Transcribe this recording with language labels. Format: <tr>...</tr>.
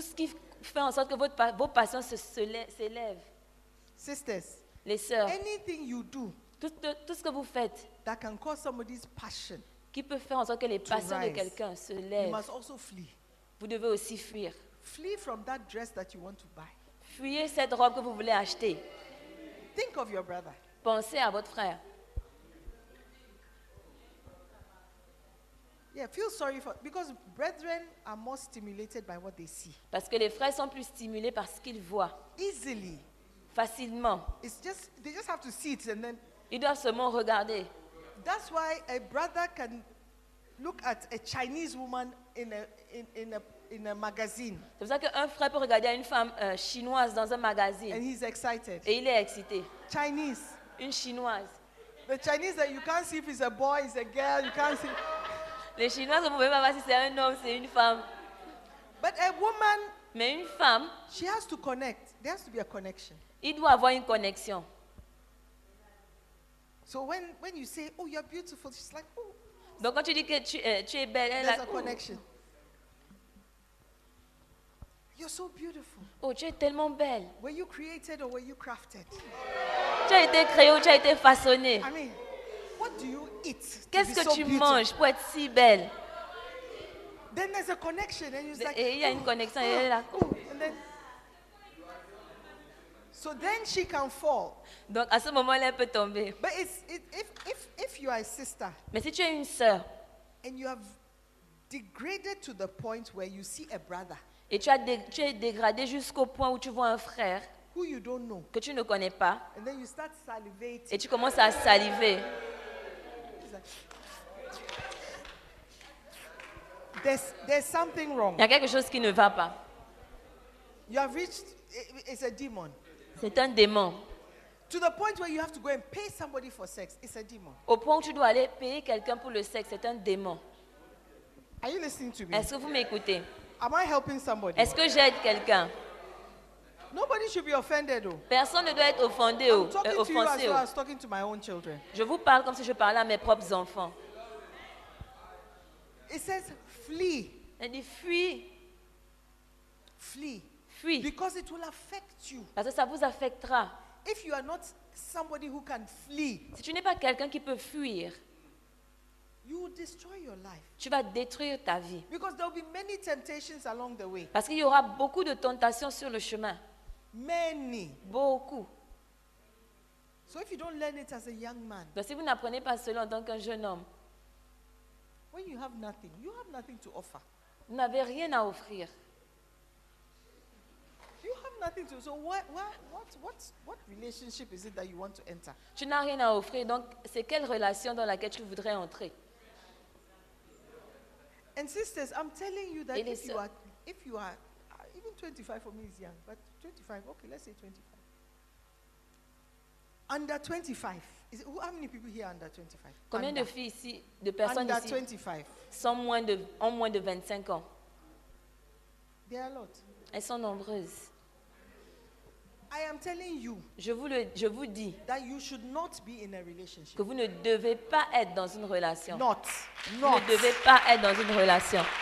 <fr>Tout ce qui fait en sorte que vos passions s'élèvent.</fr> <en>Sisters.</en> <fr>Les sœurs.</fr> <en>Anything you do.</en> <fr>Tout ce que vous faites.</fr> <en>That can cause somebody's passion.</en> <fr>Qui peut faire en sorte que les passions de quelqu'un se lèvent.</fr> <en>You must also flee.</en> <fr>Vous devez aussi fuir.</fr> <en>Flee from that dress that you want to buy.</en> <fr>Fuyez cette robe que vous voulez acheter.</fr> <en>Think of your brother.</en> <fr>Pensez à votre frère.</fr> <en>Yeah, feel sorry for because brethren are more stimulated by what they see.</en> <fr>Parce que les frères sont plus stimulés par ce qu'ils voient.</fr> <en>Easily.</en> <fr>Facilement.</fr> <en>It's just they just have to see it and then.</en> <fr>Ils doivent seulement regarder.</fr> <en>That's why a brother can look at a Chinese woman in a magazine.</en> <fr>C'est pour ça qu'un frère peut regarder une femme chinoise dans un magazine.</fr> <en>And he's excited.</en> <fr>Et il est excité.</fr> <en>Chinese.</en> <fr>Une chinoise.</fr> <en>The Chinese that you can't see if it's a boy, it's a girl, you can't see.</en> <fr>Les Chinois, vous pouvez pas voir si c'est un homme, c'est une femme.</fr> <en>But a woman,</en> <fr>mais une femme,</fr> <en>she has to connect. There has to be a connection.</en> <fr>Il doit avoir une connexion.</fr> <en>So when you say, oh, you're beautiful, she's like, oh.</en> <fr>Donc quand tu dis que tu es belle,</fr> <en>there's like, a connection. You're so beautiful.</en> <fr>Oh, tu es tellement belle.</fr> <en>Were you created or were you crafted?</en> <fr>Tu as été créé ou tu as été façonné?</fr> <en>I mean, what do you eat?</en> <fr>Qu'est-ce que</fr> <en>so</en> <fr>tu</fr> <en>beautiful?</en> <fr>Manges pour être si belle?</fr> <en>Then there's a connection, and you're</en> <fr>et</fr> <en>like,</en> <fr>il y a une connexion, et elle est là.</fr> <en>So then she can fall.</en> <fr>Donc à ce moment-là, elle peut tomber.</fr> <en>But if you are a sister,</en> <fr>mais si tu es une sœur,</fr> <en>and you have degraded to the point where you see a brother,</en> <fr>et tu es dégradé jusqu'au point où tu vois un frère,</fr> <en>who you don't know,</en> <fr>que tu ne connais pas,</fr> <en>and then you start salivating,</en> <fr>et tu commences à saliver.</fr> <en>There's something wrong.</en> <fr>Il y a quelque chose qui ne va pas.</fr> <en>You have reached. It's a demon.</en> <fr>C'est un démon.</fr> <en>To the point where you have to go and pay somebody for sex. It's a demon.</en> <fr>Au point où tu dois aller payer quelqu'un pour le sexe, c'est un démon.</fr> <en>Are you listening to me?</en> <fr>Est-ce que vous m'écoutez?</fr> <en>Am I helping somebody?</en> <fr>Est-ce que j'aide quelqu'un?</fr> <en>Nobody should be offended, though.</en> <fr>Personne ne doit être offensé.</fr> <en>I'm talking to you as though I was talking to my own children.</en> <fr>Je vous parle comme si je parlais à mes propres enfants.</fr> <en>It says, flee.</en> <fr>Elle dit, fuis.</fr> <en>Flee.</en> <fr>Fuis.</fr> <en>Because it will affect you.</en> <fr>Parce que ça vous affectera.</fr> <en>If you are not somebody who can flee,</en> <fr>si tu n'es pas quelqu'un qui peut fuir,</fr> <en>you will destroy your life.</en> <fr>Tu vas détruire ta vie.</fr> <en>Because there will be many temptations along the way.</en> <fr>Parce qu'il y aura beaucoup de tentations sur le chemin.</fr> <en>Many.</en> <fr>Beaucoup.</fr> <en>So if you don't learn it as a young man,</en> <fr>donc si vous n'apprenez pas cela en tant qu'un jeune homme,</fr> <en>when you have nothing, you have nothing to offer.</en> <fr>Vous n'avez rien à offrir.</fr> <en>You have nothing to. So what relationship is it that you want to enter?</en> <fr>Tu n'as rien à offrir, donc c'est quelle relation dans laquelle tu voudrais entrer?</fr> <en>And sisters, I'm telling you that if you are even 25 for me is young, but 25, okay, let's say 25. Under 25. Is it, how many people here under 25?</en> <fr>Combien</fr> <en>under,</en> <fr>de filles ici, de personnes ici?</fr> <en>Under 25.</en> <fr>Sont moins de 25 ans.</fr> <en>There are a lot.</en> <fr>Elles sont nombreuses.</fr> <en>I am telling you.</en> <fr>Je vous dis.</fr> <en>That you should not be in a relationship.</en> <fr>Que vous ne devez pas être dans une relation.</fr> <en>Not.</en> <fr>Vous ne devez pas être dans une relation.</fr>